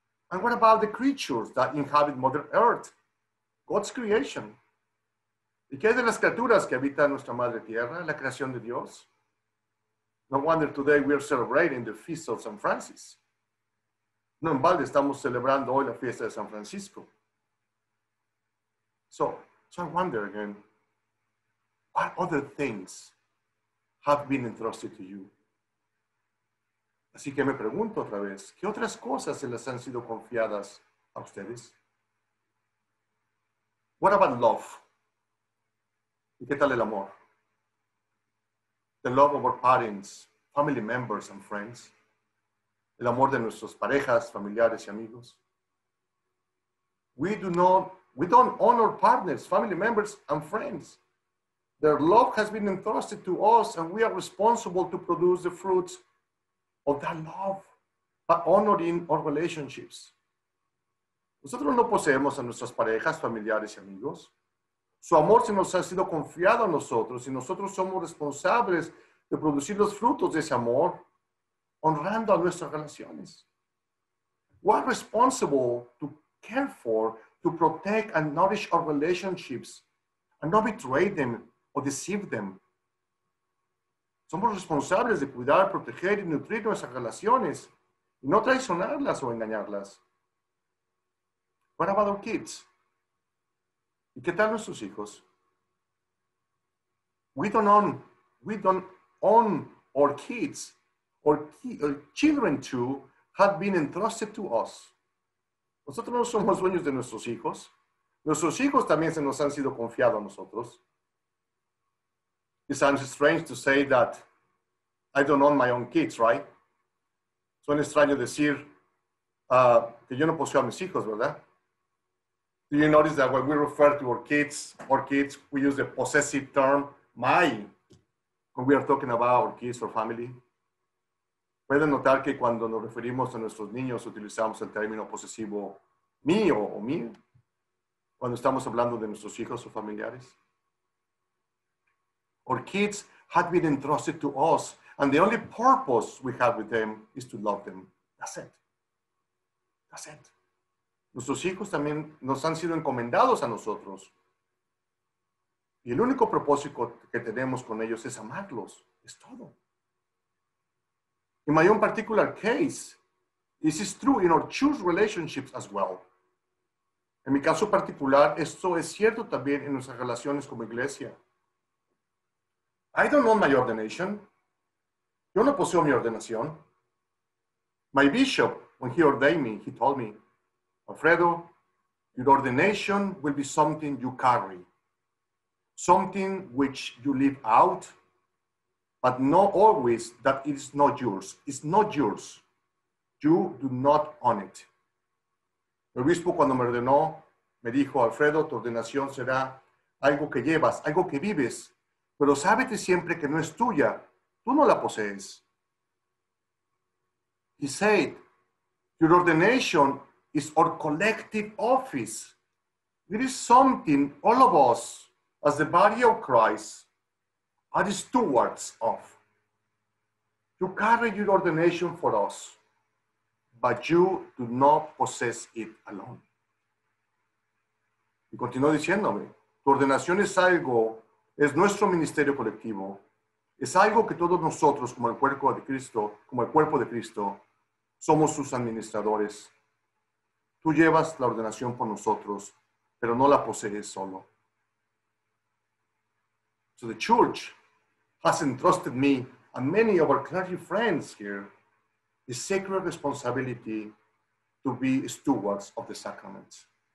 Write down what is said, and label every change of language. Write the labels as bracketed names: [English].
[English] And what about the creatures that inhabit Mother Earth? God's creation. [Spanish] ¿Y qué de las criaturas que habitan nuestra Madre Tierra, la creación de Dios? [English] No wonder today we are celebrating the Feast of San Francis. [Spanish] No en balde estamos celebrando hoy la fiesta de San Francisco. [English] So I wonder again, what other things have been entrusted to you? [Spanish] Así que me pregunto otra vez, ¿qué otras cosas se les han sido confiadas a ustedes? [English] What about love? [Spanish] ¿Y qué tal el amor? [English] The love of our parents, family members and friends. [Spanish] El amor de nuestras parejas, familiares y amigos. [English] We don't own our partners, family members and friends. Their love has been entrusted to us and we are responsible to produce the fruits of that love by honoring our relationships. [Spanish] Nosotros no poseemos a nuestras parejas, familiares y amigos. Su amor se nos ha sido confiado a nosotros y nosotros somos responsables de producir los frutos de ese amor, honrando a nuestras relaciones. [English] We are responsible to care for, to protect and nourish our relationships and not betray them or deceive them. [Spanish] Somos responsables de cuidar, proteger y nutrir nuestras relaciones y no traicionarlas o engañarlas. [English] What about our kids? [Spanish] ¿Y qué tal nuestros hijos? [English] We don't own our kids. Our children too have been entrusted to us. [Spanish] Nosotros no somos dueños de nuestros hijos. Nuestros hijos también se nos han sido confiados a nosotros. [English] It sounds strange to say that I don't own my own kids, right? [Spanish] Suena extraño decir que yo no poseo a mis hijos, ¿verdad? [English] Do you notice that when we refer to our kids, we use the possessive term, my, when we are talking about our kids or family? [Spanish] Pueden notar que cuando nos referimos a nuestros niños, utilizamos el término posesivo mío o mío, cuando estamos hablando de nuestros hijos o familiares. [English] Our kids have been entrusted to us, and the only purpose we have with them is to love them. That's it. [Spanish] Nuestros hijos también nos han sido encomendados a nosotros. Y el único propósito que tenemos con ellos es amarlos. Es todo. [English] In my own particular case, this is true in our church relationships as well. [Spanish] En mi caso particular, esto es cierto también en nuestras relaciones como iglesia. [English] I don't own my ordination. [Spanish] Yo no poseo mi ordenación. [English] My bishop, when he ordained me, he told me, Alfredo, your ordination will be something you carry, something which you live out, but not always that it is not yours. It's not yours. You do not own it. [Spanish] El obispo cuando me ordenó, me dijo, Alfredo, tu ordenación será algo que llevas, algo que vives, pero sábete siempre que no es tuya. Tú no la posees. [English] He said, your ordination is our collective office. It is something all of us, as the body of Christ, are the stewards of. You carry your ordination for us, but you do not possess it alone. [Spanish] Y continuó diciéndome, tu ordenación es algo, es nuestro ministerio colectivo, es algo que todos nosotros, como el cuerpo de Cristo, somos sus administradores. Tú llevas la ordenación por nosotros, pero no la posees solo. [English] So the church has entrusted me and many of our clergy friends here the sacred responsibility to be stewards of the sacraments.